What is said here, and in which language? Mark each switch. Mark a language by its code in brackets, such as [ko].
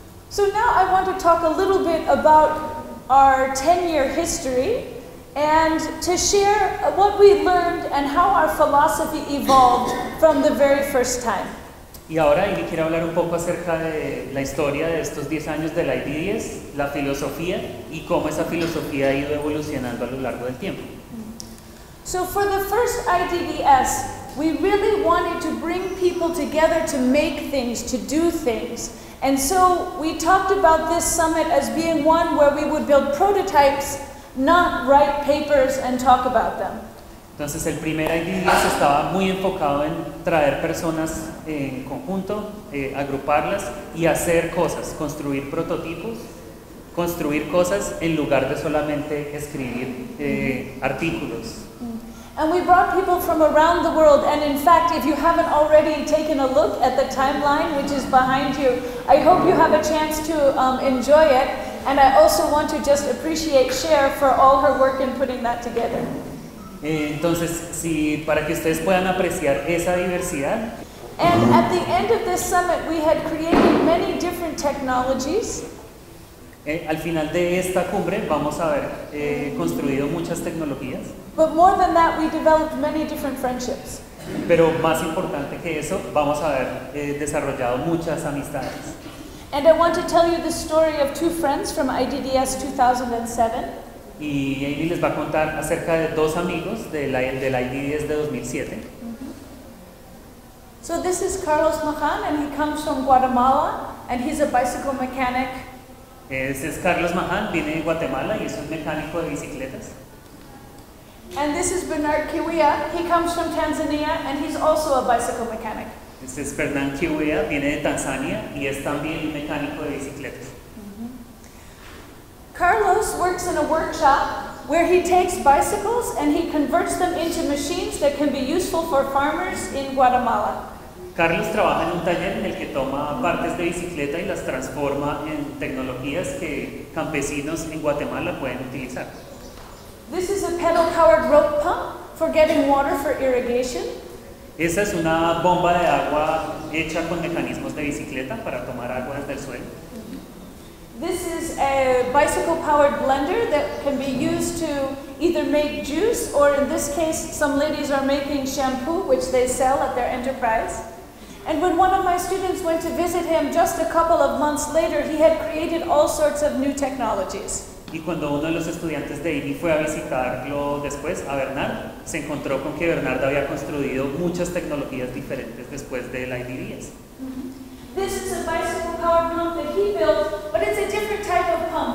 [en] So now I want to talk a little bit about our 10-year history and to share what we learned and how our philosophy evolved from the very first time. [es] Y ahora yo quiero hablar un poco acerca de la historia de estos 10 años de la IDDS, la filosofía y cómo esa filosofía ha ido evolucionando a lo largo del tiempo. [en] So for the first IDDS, we really wanted to bring people together to make things, to do things. And so we talked about this summit as being one where we would build prototypes, not write papers and talk about them. [es] Entonces el primer IDDS estaba muy enfocado en traer personas en conjunto, agruparlas y hacer cosas, construir prototipos, construir cosas en lugar de solamente escribir artículos. [en] And we brought people from around the world, and in fact, if you haven't already taken a look at the timeline, which is behind you, I hope you have a chance to enjoy it, and I also want to just appreciate Cher for all her work in putting that together. [es] Entonces, si, para que ustedes puedan apreciar esa diversidad. [en] And at the end of this summit, we had created many different technologies. [es] Al final de esta cumbre, vamos a haber construido muchas tecnologías. [en] But more than that, we developed many different friendships. [es] Pero más importante que eso, vamos a haber desarrollado muchas amistades. [en] And I want to tell you the story of two friends from IDDS 2007. [es] Y Amy les va a contar acerca de dos amigos de la IDDS de 2007. [en] So this is Carlos Mahan, and he comes from Guatemala, and he's a bicycle mechanic. [es] Ese es Carlos Mahan, viene de Guatemala y es un mecánico de bicicletas. [en] And this is Bernard Kiwia, he comes from Tanzania and he's also a bicycle mechanic. [es] Este es Bernard Kiwia, viene de Tanzania y es también un mecánico de bicicletas. [en] Carlos works in a workshop where he takes bicycles and he converts them into machines that can be useful for farmers in Guatemala. [es] Carlos trabaja en un taller en el que toma partes de bicicleta y las transforma en tecnologías que campesinos en Guatemala pueden utilizar. [en] This is a pedal-powered rope pump for getting water for irrigation. [es] Esa es una bomba de agua hecha con mecanismos de bicicleta para tomar aguas del suelo. [en] This is a bicycle-powered blender that can be used to either make juice or, in this case, some ladies are making shampoo, which they sell at their enterprise. And when one of my students went to visit him just a couple of months later, he had created all sorts of new technologies. [es] Y cuando uno de los estudiantes de Amy fue a visitarlo después, a Bernard, se encontró con que Bernard había construido muchas tecnologías diferentes después de la IDDS. [en] This is a bicycle-powered pump that he built, but it's a different type of